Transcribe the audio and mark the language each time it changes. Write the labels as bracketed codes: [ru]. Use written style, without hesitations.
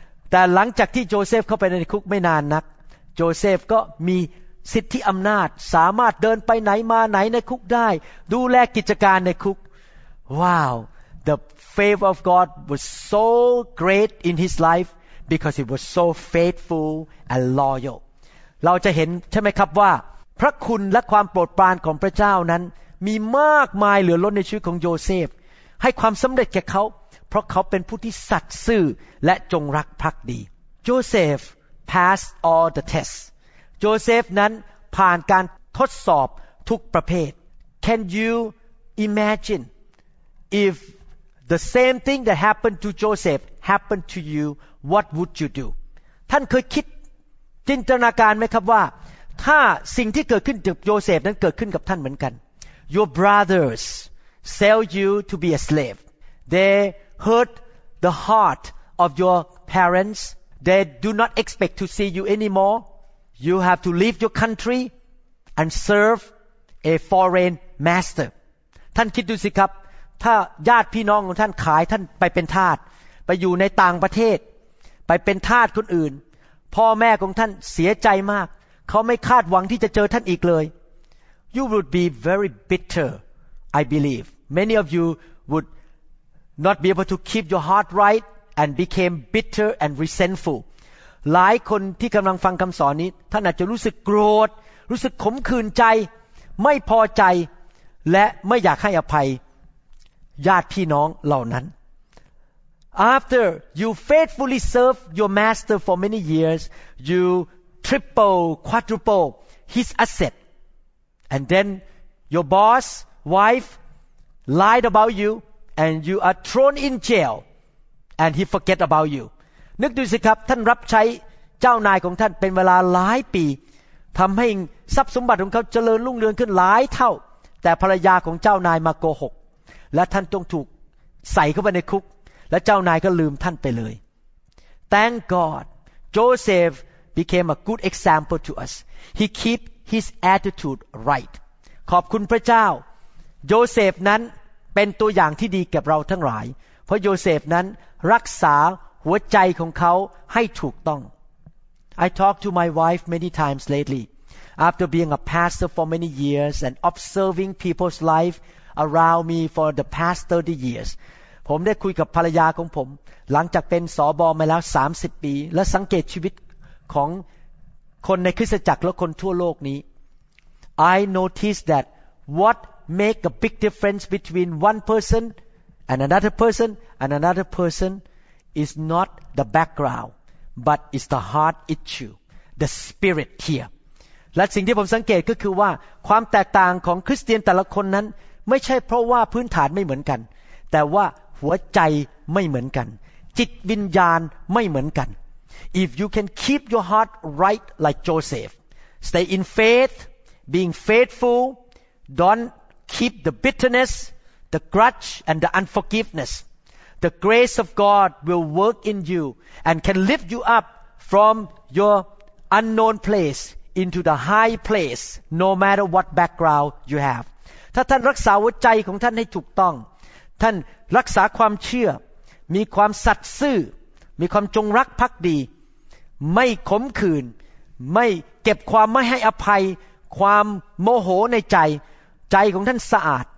[th] แต่หลังจากที่โจเซฟเข้าไปในคุกไม่นานนักโจเซฟก็มีสิทธิอำนาจสามารถเดินไปไหนมาไหนในคุกได้ดูแลกิจการในคุก [en] ว้าว The favor of God was so great in his life because he was so faithful and loyal [th] เราจะเห็นใช่ไหมครับว่าพระคุณและความโปรดปรานของพระเจ้านั้นมีมากมายเหลือล้นในชีวิตของโยเซฟให้ความสำเร็จแก่เขาเพราะเขาเป็นผู้ที่สัตย์ซื่อและจงรักภักดี [en] Joseph passed all the tests [th] โยเซฟนั้นผ่านการทดสอบทุกประเภท [en] Can you imagine if the same thing that happened to Joseph happened to you what would you do [th] ท่านเคยคิดจินตนาการไหมครับว่าถ้าสิ่งที่เกิดขึ้นกับโยเซฟนั้นเกิดขึ้นกับท่านเหมือนกัน [en] Your brothers sell you to be a slave. They hurt the heart of your parents. They do not expect to see you anymore. You have to leave your country and serve a foreign master. [th] ท่านคิดดูสิครับถ้าญาติพี่น้องของท่านขายท่านไปเป็นทาสไปอยู่ในต่างประเทศไปเป็นทาสคนอื่นพ่อแม่ของท่านเสียใจมากเขาไม่คาดหวังที่จะเจอท่านอีกเลย [en] You would be very bitter, I believe. Many of you would not be able to keep your heart right and became bitter and resentful. [th] หลายคนที่กำลังฟังคำสอนนี้ท่านอาจจะรู้สึกโกรธรู้สึกขมขื่นใจไม่พอใจและไม่อยากให้อภัยญาติพี่น้องเหล่านั้น [en] After you faithfully served your master for many years, youtriple, quadruple his asset. And then your boss, wife lied about you and you are thrown in jail and he forget about you. [th] นึกดูสิครับท่านรับใช้เจ้านายของท่านเป็นเวลาหลายปีทำให้ทรัพย์สมบัติของเขาเจริญรุ่งเรืองขึ้นหลายเท่าแต่ภรรยาของเจ้านายมาโกหกและท่านต้องถูกใส่เข้าไปในคุกและเจ้านายก็ลืมท่านไปเลย [en] Thank God, Josephbecame a good example to us. He keep his attitude right. [th] ขอบคุณพระเจ้าโยเซฟนั้นเป็นตัวอย่างที่ดีกับเราทั้งหลายเพราะโยเซฟนั้นรักษาหัวใจของเขาให้ถูกต้อง [en] I talk to my wife many times lately. After being a pastor for many years and observing people's life around me for the past 30 years. [th] ผมได้คุยกับภรรยาของผมหลังจากเป็นสบมาแล้ว30ปีและสังเกตชีวิตของคนในคริสตจักรและคนทั่วโลกนี้ [en] I notice that what make a big difference between one person and another person and another person is not the background but is the heart issue the spirit here [th] และสิ่งที่ผมสังเกตก็คือว่าความแตกต่างของคริสเตียนแต่ละคนนั้นไม่ใช่เพราะว่าพื้นฐานไม่เหมือนกันแต่ว่าหัวใจไม่เหมือนกันจิตวิญญาณไม่เหมือนกัน [en] If you can keep your heart right like Joseph, stay in faith, being faithful, don't keep the bitterness, the grudge, and the unforgiveness. The grace of God will work in you and can lift you up from your unknown place into the high place, no matter what background you have. [th] ถ้าท่านรักษาหัวใจของท่านให้ถูกต้องท่านรักษาความเชื่อมีความสัตย์ซื่อมีความจงรักภักดีไม่ขมขื่นไม่เก็บความไม่ให้อภัยความโมโหในใจใจของท่านสะอาด